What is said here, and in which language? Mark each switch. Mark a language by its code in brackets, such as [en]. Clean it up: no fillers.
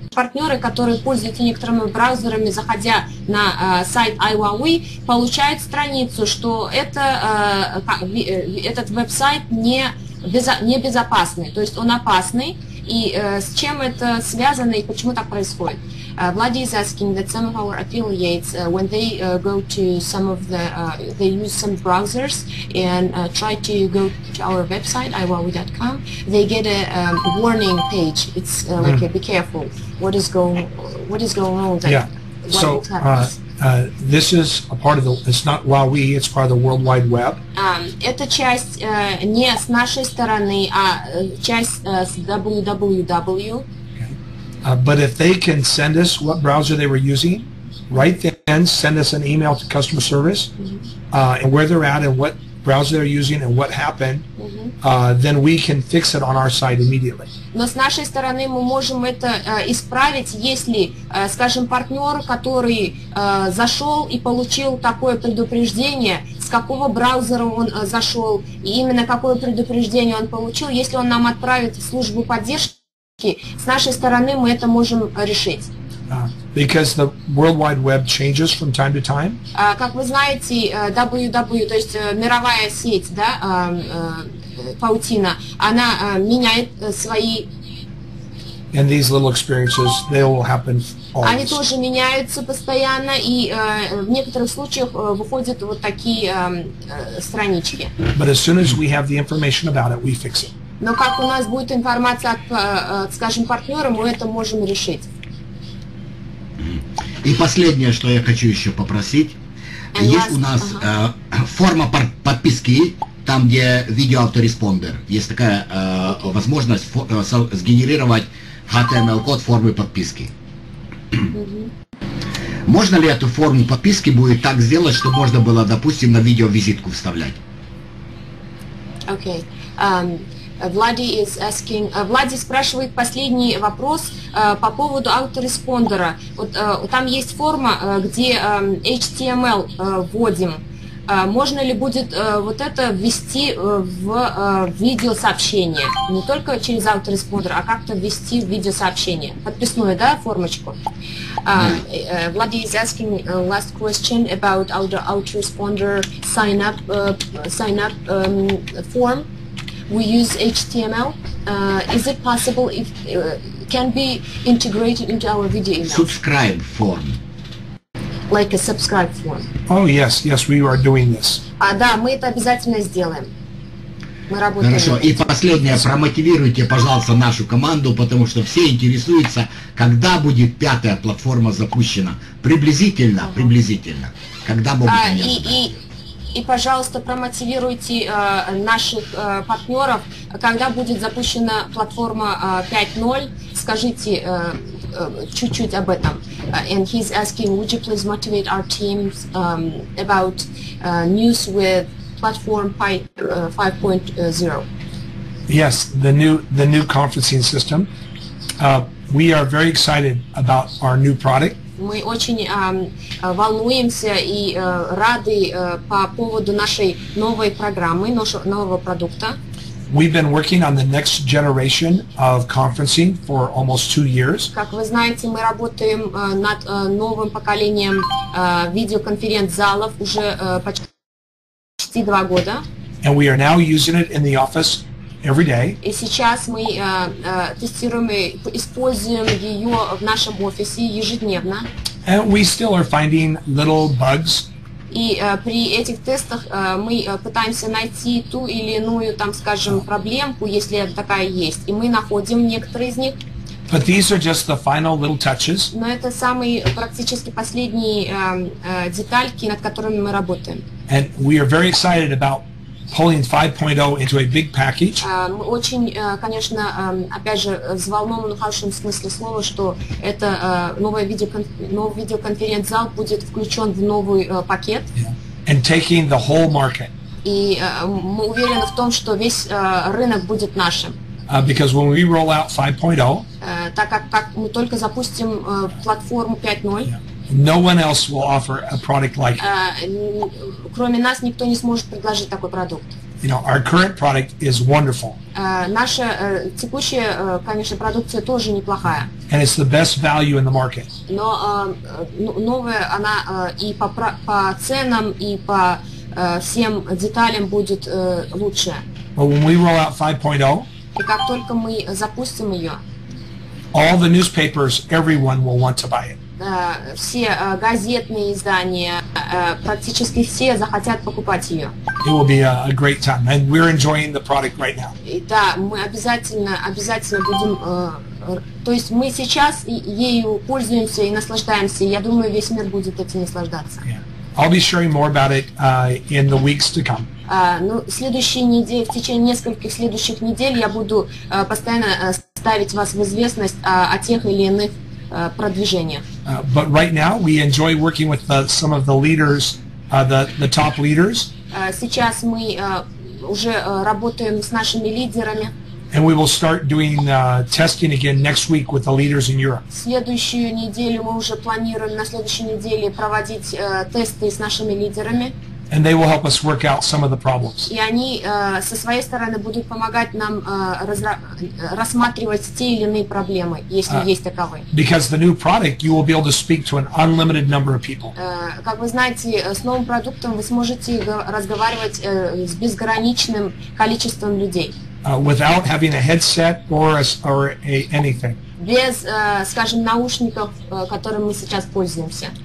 [ru] партнеры, которые пользуются некоторыми браузерами, заходя на сайт iWowie, получают страницу, что это, этот веб-сайт небезопасный, то есть он опасный. И с чем это связано и почему так происходит? [en] Vlad is asking that some of our affiliates, when they go to some of the, they use some browsers and try to go to our website, iWowie.com, they get a warning page. It's like, be careful. What is going on? Yeah. So this is a part of the, it's not WoWee, it's part of the World Wide Web. [ru] Это часть не с нашей стороны, а часть с www. [en] But if they can send us what browser they were using, right then send us an email to customer service, and where they're at and what browser they're using and what happened, then we can fix it on our side immediately. [ru] Но с нашей стороны мы можем это исправить, если, скажем, партнер, который зашел и получил такое предупреждение, с какого браузера он зашел, и именно какое предупреждение он получил, если он нам отправит службу поддержки, с нашей стороны мы это можем решить. [en] Because the World Wide Web changes from time to time. [ru] Как вы знаете, WW, то есть мировая сеть, да, паутина, она меняет свои. [en] And these little experiences, they will happen always. [ru] Они тоже меняются постоянно, и в некоторых случаях выходят вот такие странички. [en] But as soon as we have the information about it, we fix it. [ru] Но как у нас будет информация от, скажем, партнера, мы это можем решить. И последнее, что я хочу еще попросить. And есть last, у нас форма подписки, там, где видео-автореспондер. Есть такая возможность сгенерировать HTML-код формы подписки. Можно ли эту форму подписки будет так сделать, чтобы можно было, допустим, на видео-визитку вставлять? Окей. Влади спрашивает последний вопрос по поводу автореспондера. Вот, там есть форма, где HTML вводим. Можно ли будет вот это ввести в видеосообщение? Не только через автореспондер, а как-то ввести в видеосообщение. Подписную, да, формочку? [en] Vladi is asking last question about autoresponder sign up form. We use HTML. Is it possible if can be integrated into our video email? Subscribe form. Like a subscribe form. Oh yes, yes, we are doing this. [ru] Да, мы это обязательно сделаем. Мы работаем. Хорошо. И последнее, промотивируйте, пожалуйста, нашу команду, потому что все интересуются, когда будет пятая платформа запущена. Приблизительно, приблизительно. Когда будет понятно. И, пожалуйста, промотивируйте наших партнеров, когда будет запущена платформа 5.0. Скажите чуть-чуть об этом. [en] And he's asking, would you please motivate our teams about news with platform 5.0? Yes, the new conferencing system. We are very excited about our new product. [ru] Мы очень волнуемся и рады по поводу нашей новой программы, нового продукта. [en] We've been working on the next generation of conferencing for almost 2 years. [ru] Как вы знаете, мы работаем над новым поколением видеоконференц-залов уже почти 2 года. [en] And we are now using it in the office every day. [ru] И сейчас мы тестируем и используем ее в нашем офисе ежедневно. [en] And we still are finding little bugs. [ru] И при этих тестах мы пытаемся найти ту или иную, там, скажем, проблемку, если такая есть. И мы находим некоторые из них. [en] But these are just the final little touches. [ru] Но это самые практически последние детальки, над которыми мы работаем. [en] And we are very excited about pulling 5.0 into a big package. [ru] Мы очень, конечно, опять же, взволнованы в хорошем смысле слова, что это новый видеоконференц-зал будет включен в новый пакет. [en] Yeah. And taking the whole market. [ru] И мы уверены в том, что весь рынок будет нашим. [en] Because when we roll out 5.0, [ru] так как мы только запустим платформу 5.0, yeah. [en] No one else will offer a product like it. [ru] Кроме нас никто не сможет предложить такой продукт. [en] you know, our current product is wonderful. [ru] Наша текущая, конечно, продукция тоже неплохая. [en] And it's the best value in the market. [ru] Но новая она и по ценам и по всем деталям будет лучше. [en] But when we roll out 5.0, [ru] и как только мы запустим ее, [en] all the newspapers, everyone will want to buy it. [ru] Все газетные издания, практически все захотят покупать ее. [en] It will be a great time, and we're enjoying the product right now. [ru] Да, мы обязательно будем, то есть мы сейчас ею пользуемся и наслаждаемся. Я думаю, весь мир будет этим наслаждаться. [en] I'll be sharing more about it in the weeks to come. [ru] Ну, следующие недели, в течение нескольких следующих недель я буду постоянно ставить вас в известность о тех или иных продвижениях. [en] But right now we enjoy working with some of the leaders, the top leaders. [ru] Сейчас мы уже работаем с нашими лидерами. [en] And we will start doing testing again next week with the leaders in Europe. [ru] Следующую неделю мы уже планируем на следующей неделе проводить тесты с нашими лидерами. [en] And they will help us work out some of the problems. [ru] И они со своей стороны будут помогать нам рассматривать те или иные проблемы, если есть таковые. [en] Because the new product, you will be able to speak to an unlimited number of people. [ru] Как вы знаете, с новым продуктом вы сможете разговаривать с безграничным количеством людей. [en] Without having a headset or anything. [ru] Без, скажем, наушников, которыми мы сейчас пользуемся.